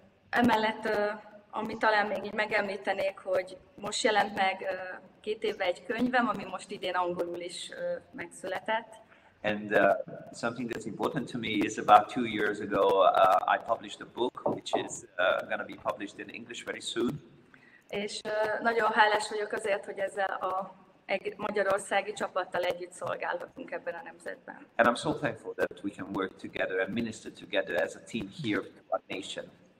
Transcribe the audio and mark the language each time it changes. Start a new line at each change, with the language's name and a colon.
Hungarian: Emellett, ami talán még így megemlítenék, hogy most jelent meg két éve egy könyvem, ami most idén angolul is megszületett.
English: And something that's important to me is about 2 years ago I published a book, which is going to be published in English very soon.
Hungarian: És nagyon hálás vagyok azért, hogy ezzel a magyarországi csapattal együtt szolgálhatunk ebben a nemzetben.
English: And I'm so thankful that we can work together and minister together as a team here in our nation.